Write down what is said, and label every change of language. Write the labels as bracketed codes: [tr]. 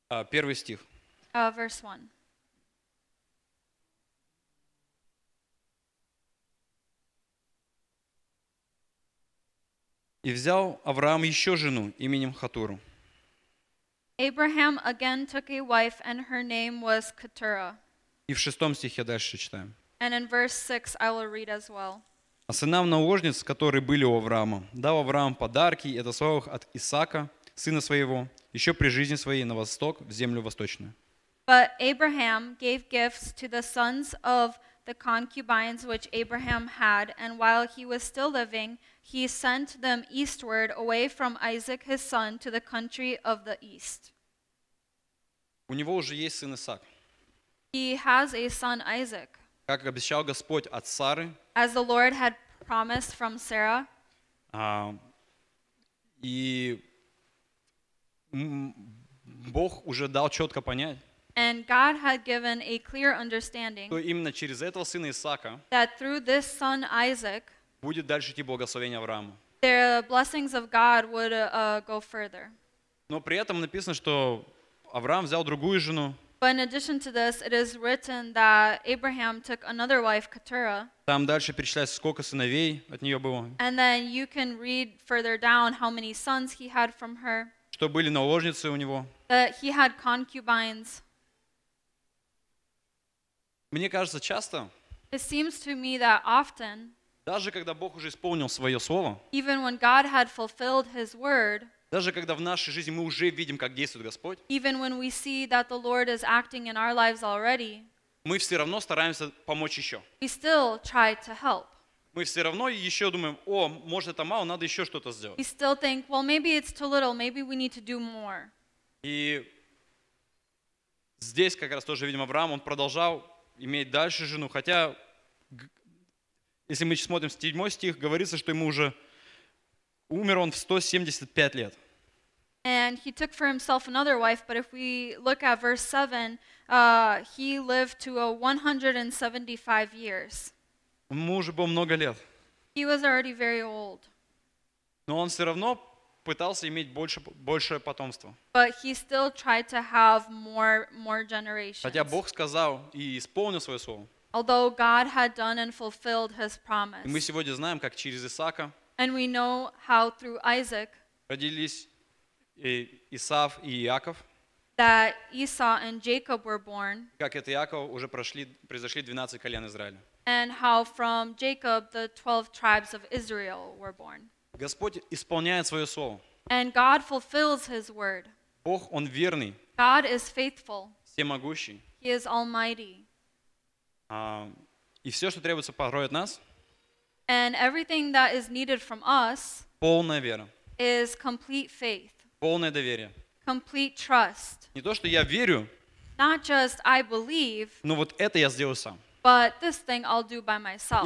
[ru] Первый стих. [en] Verse 1. [ru] И взял Авраам еще жену именем Хатуру. [en] Abraham again took a wife, and her name was Keturah. [ru] И в шестом стихе дальше читаем. [en] And in verse 6 I will read as well. [ru] А сынам наложниц, которые были у Авраама, дал Авраам подарки и отослал их от Исаака, сына своего, еще при жизни своей на восток, в землю восточную. [en] But Abraham gave gifts to the sons of the concubines which Abraham had, and while he was still living, he sent them eastward away from Isaac his son to the country of the east. [ru] У него уже есть сын Исаак. [en] He has a son Isaac. [ru] Как обещал Господь от Сары. [en] As the Lord had promised from Sarah. [ru] И Бог уже дал четко понять. [en] And God had given a clear understanding. [ru] Что именно через этого сына Исаака. [en] That through this son Isaac. [ru] Будет дальше идти благословение Аврааму. [en] The blessings of God would go further. [ru] Но при этом написано, что Авраам взял другую жену. [en] But in addition to this, it is written that Abraham took another wife, Keturah. [ru] Там дальше перечисляется, сколько сыновей от нее было. [en] And then you can read further down how many sons he had from her. [ru] Что были наложницы у него. [en] That he had concubines. [ru] Мне кажется, часто. [en] It seems to me that often. [ru] Даже когда Бог уже исполнил свое слово. [en] Even when God had fulfilled His word. [ru] Даже когда в нашей жизни мы уже видим, как действует Господь, [en] even when we see that the Lord is acting in our lives already, [ru] мы все равно стараемся помочь еще. [en] We still try to help. [ru] Мы все равно еще думаем, о, может это мало, надо еще что-то сделать. [en] We still think, well, maybe it's too little, maybe we need to do more. [ru] И здесь как раз тоже видим Авраам, он продолжал иметь дальше жену, хотя, если мы смотрим 7 стих, говорится, что ему уже умер он в 175 лет. [en] And he took for himself another wife, but if we look at verse 7, he lived to a 175 years. [ru] Ему уже было много лет. [en] He was already very old. [ru] Но он все равно пытался иметь больше, большее потомство. [en] But he still tried to have more generations. [ru] Хотя Бог сказал и исполнил свое слово. [en] Although God had done and fulfilled his promise. [ru] И мы сегодня знаем, как через Исаака. [en] And we know how through Isaac [ru] родились Исав и Яков, [en] that Esau and Jacob were born, [ru] как от Иакова уже произошли 12 колен Израиля, [en] and how from Jacob the 12 tribes of Israel were born. [ru] Господь исполняет свое слово. [en] And God fulfills His word. [ru] Бог, Он верный. [en] God is faithful. [ru] Всемогущий. [en] He is almighty. [ru] И все, что требуется порой от нас, [en] and everything that is needed from us is complete faith. [ru] Полное доверие. [en] Complete trust. [ru] Не то, что я верю, [en] not just I believe, [ru] но вот это я сделаю сам. [en] But this thing I'll do by myself.